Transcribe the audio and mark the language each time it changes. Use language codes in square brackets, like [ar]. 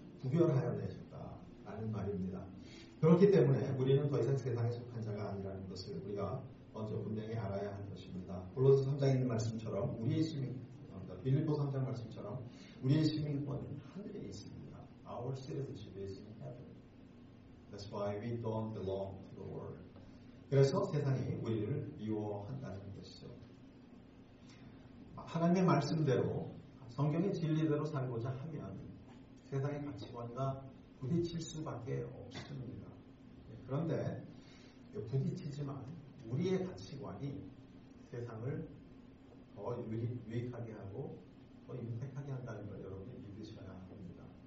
[ko] 구별하여 내셨다. 라는 말입니다. 그렇기 때문에 우리는 더 이상 세상에 속한 자가 아니라는 것을 우리가 먼저 분명히 알아야 하는 것입니다. 골로새 3장에 있는 말씀처럼 우리의 시민권, 빌립보 3장 말씀처럼 우리의 시민권은 하늘에 있습니다. [en] Our citizenship is in heaven. That's why we don't belong to the world. [ko] 그래서 세상이 우리를 미워한다는 것이죠. 하나님의 말씀대로 성경의 진리대로 살고자 하면 세상의 가치관과 부딪힐 수밖에 없습니다. 그런데 부딪히지만 우리의 가치관이 세상을 더 유익하게 하고 더 임팩하게 한다는 걸 여러분이 믿으셔야 합니다.